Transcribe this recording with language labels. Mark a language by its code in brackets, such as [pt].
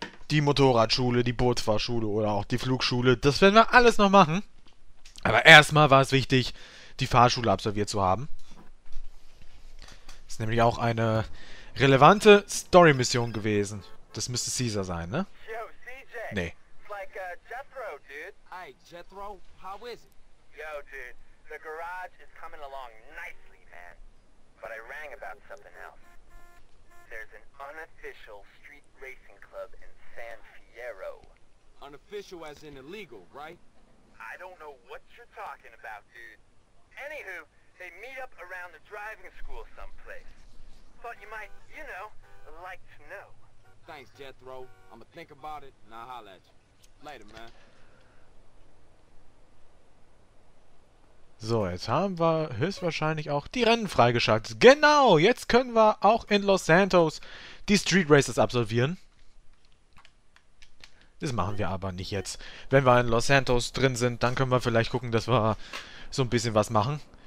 [de] Die Motorradschule, die Bootsfahrschule oder auch die Flugschule. Das werden wir alles noch machen. Aber erstmal war es wichtig, die Fahrschule absolviert zu haben. Ist nämlich auch eine relevante Story-Mission gewesen. Das müsste Caesar sein, ne? [en] Yo, CJ. [de] Nee. [en] It's like, Jethro, dude. Hey, Jethro, how is it? Yo, dude, the garage is coming along nicely, man. But I rang about something else. There's an unofficial street racing club in San Fierro. Unofficial as in illegal, right? I don't know what you're talking about, dude. Anywho, they meet up around the driving school someplace. Thought you might, you know, like to know. Thanks, Jethro. I'ma think about it, and I'll holler at you. Later, man. [de] So, jetzt haben wir höchstwahrscheinlich auch die Rennen freigeschaltet. Genau, jetzt können wir auch in Los Santos die Street Races absolvieren. Das machen wir aber nicht jetzt. Wenn wir in Los Santos drin sind, dann können wir vielleicht gucken, dass wir so ein bisschen was machen.